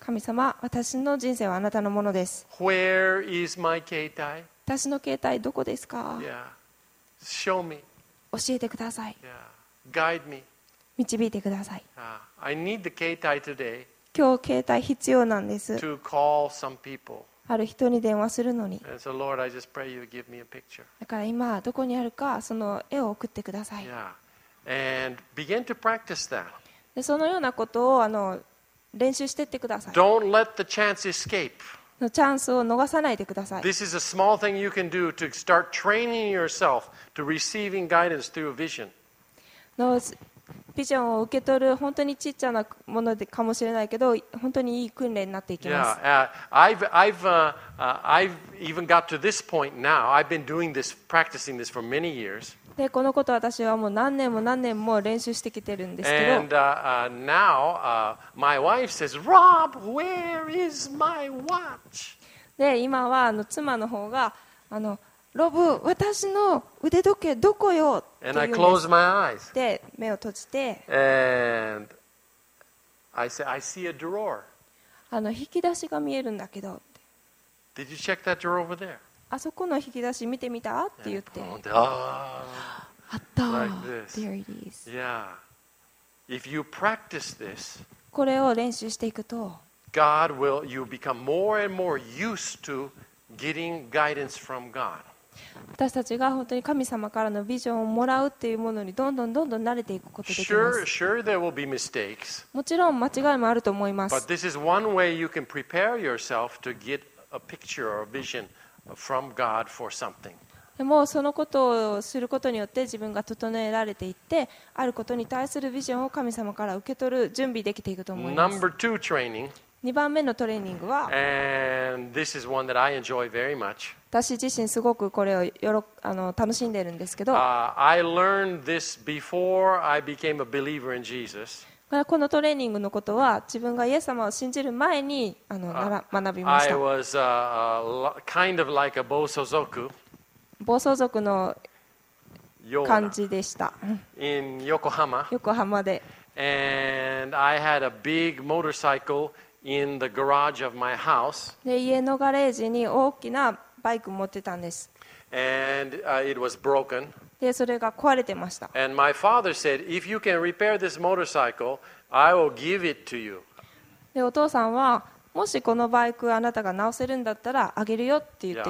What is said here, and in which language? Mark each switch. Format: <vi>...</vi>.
<ja>神様、私の人生はあなたのものです。</ja> <en>Where is my 携帯？</en> <ja>私の携帯どこですか？</ja> <en>Yeah. Show me.</en> <ja>教えてください。</ja> <en>Yeah. Guide me.</en> <ja>導いてください。</ja> <en>I need the 携帯 today.</en> <ja>今日携帯必要なんです。</ja> <en>to call some people.</en> <ja>ある人に電話するのに。</ja> <en>And so, Lord, I just pray you give me a picture.</en> <ja>だから今どこにあるかその絵を送ってください。</ja> <en>Yeah. And begin to practice that.</en> <ja>でそのようなことを練習していってください。</ja> <en>Don't let the chance escape.</en> <ja>のチャンスを逃さないでください。</ja> <en>This is a small thing you can do to start training yourself to receiving guidance through a vision. No, it's...</en> <ja>ビジョンを受け取る本当にちっちゃなものでかもしれないけど本当にいい訓練になっていきます。</ja> <en>I've even got to this point now. I've been doing this, practicing this for many years.</en> <ja>でこのこと私はもう何年も何年も練習してきてるんですけど。</ja> <en>And now my wife says, Rob, where is my watch?</en> <ja>で今は妻の方がロブ、私の腕時計どこよって言うんです。で、目を閉じて、</ja> <en>And I say, I see a drawer.</en> <ja>引き出しが見えるんだけど。</ja> <en>Did you check that drawer over there?</en> <ja>あそこの引き出し見てみたって言って。</ja> <en>Yeah,</en> <ja>あった。</ja> <en>Like、there it is. Yeah. If you practice this,</en> <ja>これを練習していくと、</ja> <en>God will, you become more and more used to getting guidance from God.</en> <ja>私たちが本当に神様からのビジョンをもらうっていうものにどんどんどんどん慣れていくことができます。</ja> <en>Sure, there will be mistakes.</en> <ja>もちろん間違いもあると思います。</ja> <en>But this is one way you can prepare yourself to get a picture or a vision from God for something.</en> <ja>でもそのことをすることによって自分が整えられていって、あることに対するビジョンを神様から受け取る準備できていくと思います。</ja> <en>Number two training.</en> <ja>2番目のトレーニングは、私自身すごくこれを楽しんでいるんですけど、このトレーニングのことは自分がイエス様を信じる前に学びました。</ja> <en>I was kind of like a 暴走族。</en> <ja>暴走族の感じでした。</ja> <en>In Yokohama.</en> <ja>横浜で。</ja> <en>And I had a big motorcycle. In the garage of my house.</en> <ja>で家のガレージに大きなバイクを持ってたんです。</ja> <en>And it was broken.</en> <ja>でそれが壊れてました。</ja> <en>And my father said, if you can repair this motorcycle, I will give it to you.</en> <ja>でお父さんはもしこのバイクあなたが直せるんだったらあげるよって言って。</ja>